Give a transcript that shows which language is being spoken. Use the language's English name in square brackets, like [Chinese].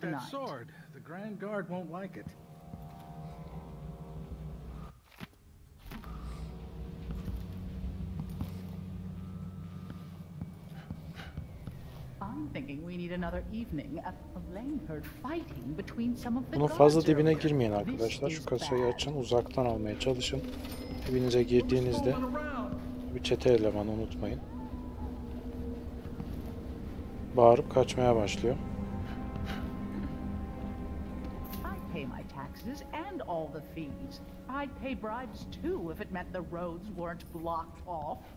[English] Careful with that sword. The Grand Guard won't like it. I'm thinking we need another evening at the Langford fighting between some of the [Turkish] Bunu fazla dibine girmeyin arkadaşlar. Şu kasayı açın, uzaktan almaya çalışın. Dibinize girdiğinizde bir çete elemanı unutmayın. Bağırıp kaçmaya başlıyor. [English] I'd pay my taxes and all the fees. I'd pay bribes too if it meant the roads weren't blocked off.